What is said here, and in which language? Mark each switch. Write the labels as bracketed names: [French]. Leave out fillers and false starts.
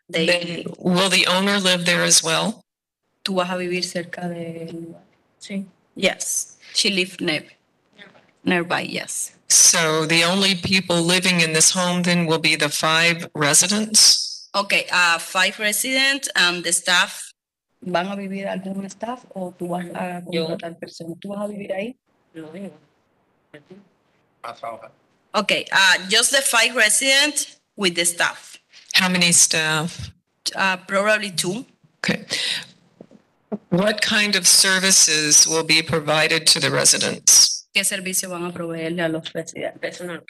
[English] Will the owner live there as well? [Spanish] Tú vas a vivir cerca de... [English] Sí. Yes, she lives nearby, yes. So the only people living in this home then will be the five residents? Okay, five residents and the staff. [Spanish] ¿Van a vivir algún staff o tú vas a contratar persona? ¿Tú vas a vivir ahí? [English] Okay, just the five residents with the staff. How many staff? Probably two. Okay. What kind of services will be provided to the residents? [Spanish] ¿Qué servicio van a proveerle a los residentes?